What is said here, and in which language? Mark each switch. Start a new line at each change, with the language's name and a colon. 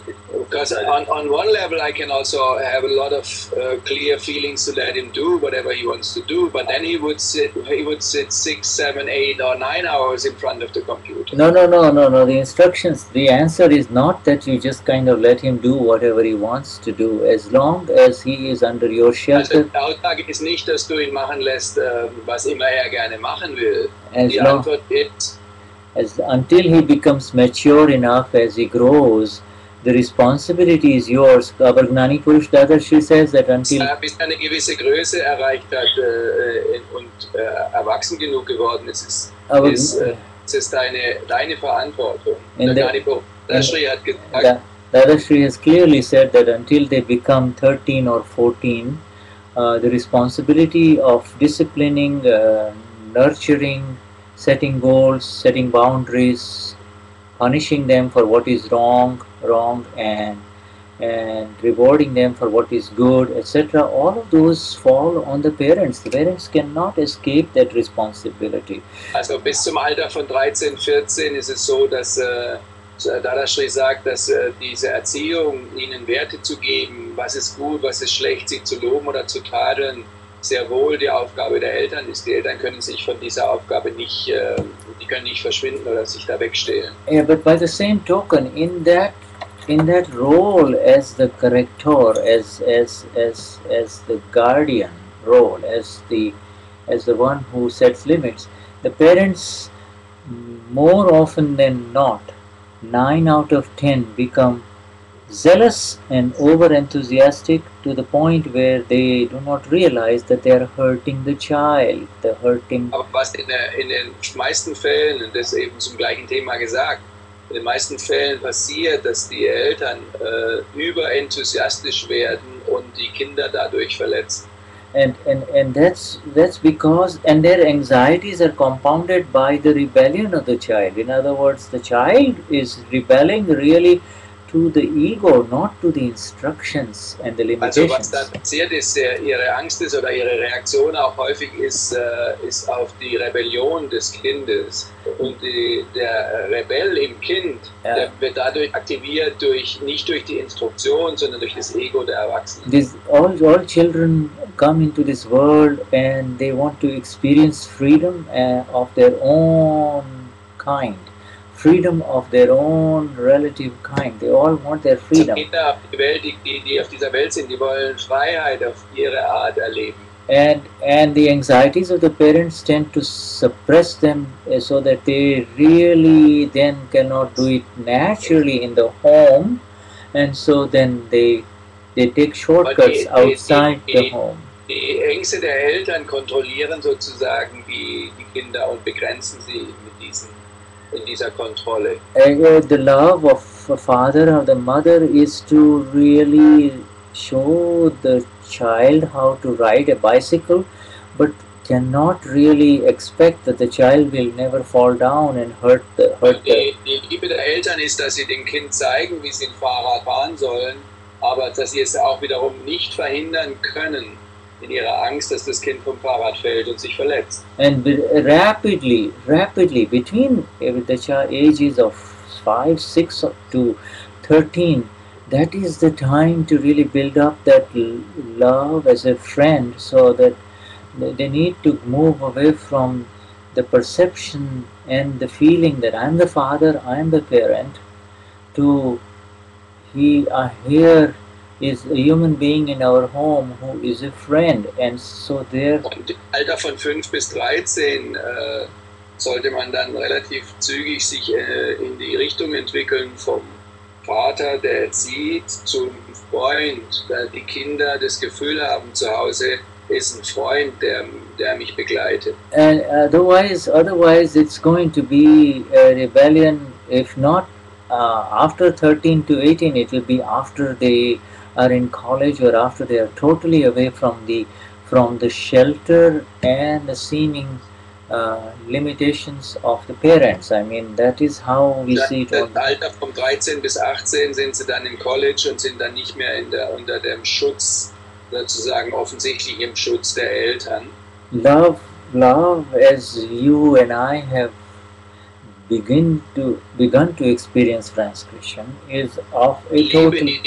English: because on one level I can also have a lot of clear feelings to let him do whatever he wants to do, but then he would sit 6, 7, 8, or 9 hours in front of the computer. No. The answer is not that you just kind of let him do whatever he wants to do, as long as he is under your shelter.
German: Also, die Aussage ist nicht, dass du ihn machen lässt, was immer er gerne machen will.
English: Until he becomes mature enough, as he grows, the responsibility is yours. Our Gnani Purush Dadashri says that until
German: bis eine gewisse Größe erreicht hat und erwachsen genug geworden ist, ist deine Verantwortung.
English: Gnani Purush Dadashri has clearly said that until they become 13 or 14, the responsibility of disciplining, nurturing, setting goals, setting boundaries, punishing them for what is wrong, and rewarding them for what is good, etc. All of those fall on the parents. The parents cannot escape that responsibility.
German: Also, bis zum Alter von 13, 14 ist es so, dass Dadashri sagt, dass diese Erziehung, ihnen Werte zu geben, was ist gut, was ist schlecht, sie zu loben oder zu tadeln, sehr wohl die Aufgabe der Eltern ist. Die Eltern können sich von dieser Aufgabe nicht, die können nicht verschwinden oder sich da wegstehlen.
English: Yeah, but by the same token, in that role as the corrector, as the guardian role, as the one who sets limits, the parents more often than not, 9 out of 10 become zealous and over-enthusiastic to the point where they do not realize that they are hurting the child. They're hurting.
German: Aber was in den meisten Fällen, und das ist eben zum gleichen Thema gesagt, in den meisten Fällen passiert, dass die Eltern überenthusiastisch werden und die Kinder dadurch verletzen.
English: And that's because, and their anxieties are compounded by the rebellion of the child. In other words, the child is rebelling really to the ego, not to the instructions and the limitations.
German: Also, was dann passiert ist, ihre Angst ist oder ihre Reaktion auch häufig ist auf die Rebellion des Kindes. Und der Rebell im Kind, yeah, der wird dadurch aktiviert durch nicht durch die Instruktion, sondern durch das Ego der Erwachsenen.
English: All children come into this world and they want to experience freedom of their own kind. Freedom of their own relative kind. They all want their freedom.
German: Kinder auf die Welt, die auf dieser Welt sind, die wollen Freiheit auf ihre Art erleben.
English: And the anxieties of the parents tend to suppress them so that they really then cannot do it naturally in the home, and so then they take shortcuts outside the home.
German: Die Ängste der Eltern kontrollieren sozusagen die Kinder und begrenzen sie mit diesen.
English: The love of a father or the mother is to really show the child how to ride a bicycle, but cannot really expect that the child will never fall down and hurt the.
German: Die Liebe der Eltern ist, dass sie dem Kind zeigen, wie sie ein Fahrrad fahren sollen, aber dass sie es auch wiederum nicht verhindern können in ihrer Angst, dass das Kind vom Fahrrad fällt und sich verletzt.
English: And rapidly, between the ages of 5, 6 to 13, that is the time to really build up that love as a friend, so that they need to move away from the perception and the feeling that I am the father, I am the parent, to here is a human being in our home who is a friend, and so there.
German: Und im Alter von 5 bis 13 sollte man dann relativ zügig sich in die Richtung entwickeln vom Vater, der sieht, zum Freund, weil die Kinder das Gefühl haben, zu Hause ist ein Freund, der mich begleitet.
English: And otherwise it's going to be a rebellion, if not after 13 to 18, it will be after they are in college or after, they are totally away from the shelter and the seeming limitations of the parents. I mean, that is how we see it.
German: Im Alter von 13 bis 18 sind sie dann im College und sind dann nicht mehr in der, unter dem Schutz, sozusagen offensichtlich im Schutz der Eltern.
English: Love, as you and I have begun to experience transcription, is of a total.